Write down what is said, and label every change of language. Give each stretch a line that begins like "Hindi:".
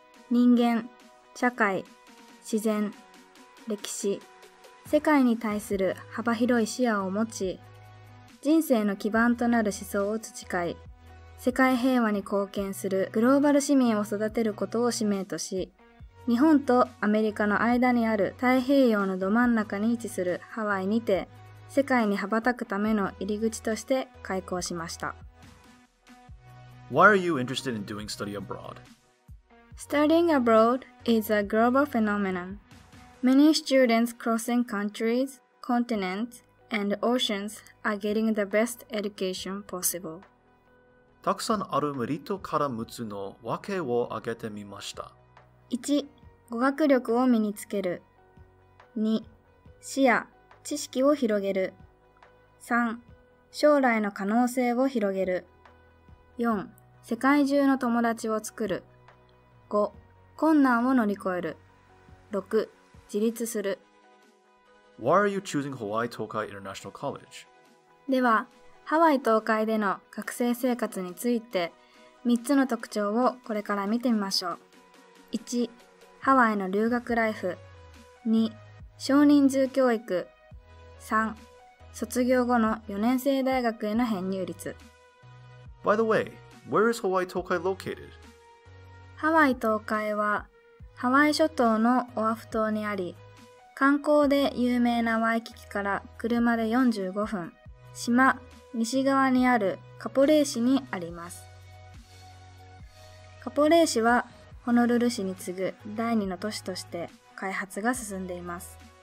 Japanese: 人間、社会、自然、歴史、世界に対する幅広い視野を持ち、人生の基盤となる思想を培い、世界平和に貢献するグローバル市民を育てることを使命とし、日本とアメリカの間にある太平洋のど真ん中に位置するハワイにて、世界に羽ばたくための入り口として開校しました。
English: Why are you interested in doing study abroad? Studying abroad is a global phenomenon. Many students crossing countries, continents, and oceans are getting the best education possible.
Japanese: たくさんあるメリットから6つの訳を挙げてみました。 1. 語学力を身につける。2. 視野、知識を広げる。3. 将来の可能性を広げる。 4. 世界中の友達を作る。5. 困難を乗り越える。6. 自立する。
English: Why are you choosing Hawaii Tokai International College?
Japanese: では、ハワイ東海での学生生活について、3つの特徴をこれから見てみましょう。 1. ハワイの留学ライフ 2. 少人数教育 3. 卒業後の4年制大学への編入率
English: By the way, where is Hawaii Tokai located?
Japanese: ハワイ東海はハワイ諸島のオアフ島にあり、観光で有名なワイキキから車で45分、島西側にあるカポレイ市にあります。カポレイ市はホノルル市に次ぐ第二の都市として開発が進んでいます。